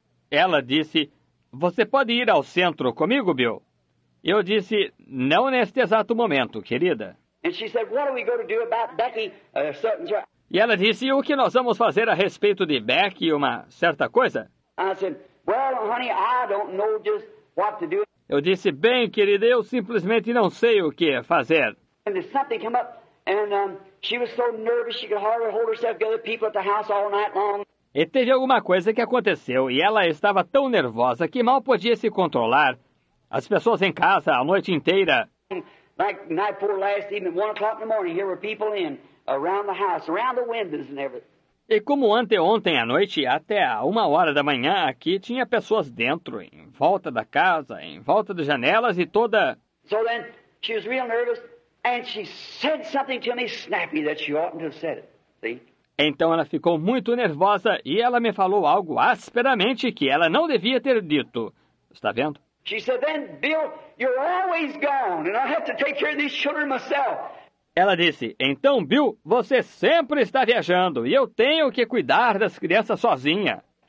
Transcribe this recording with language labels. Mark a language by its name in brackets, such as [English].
[Portuguese] Ela disse, "Você pode ir ao centro comigo, Bill?" Eu disse, "Não neste exato momento, querida." [English] And she said, "What are we going to do about Becky?" [Portuguese] E ela disse, o que nós vamos fazer a respeito de Beck e uma certa coisa? [English] I said, "Well, honey, I don't know just what to do." [Portuguese] Eu disse, bem, querida, eu simplesmente não sei o que fazer. [English] And then something came up, and she was so nervous she could hardly hold herself together. People at the house all night long. [Portuguese] E teve alguma coisa que aconteceu e ela estava tão nervosa que mal podia se controlar. As pessoas em casa a noite inteira. [English] Like night before last evening, 1 o'clock in the morning, here were people in. Around the house, around the windows and everything. [Portuguese] E como anteontem à noite, até a 1 hora da manhã, aqui tinha pessoas dentro, em volta da casa, em volta das janelas e toda... [English] So then, she was real nervous, and she said something to me snappy that she oughtn't to have said it. See? [Portuguese] Então ela ficou muito nervosa, e ela me falou algo asperamente que ela não devia ter dito. Está vendo? [English] She said, "Then, Bill, you're always gone, and I have to take care of these children myself." [Portuguese] Ela disse, então, Bill, você sempre está viajando e eu tenho que cuidar das crianças sozinha.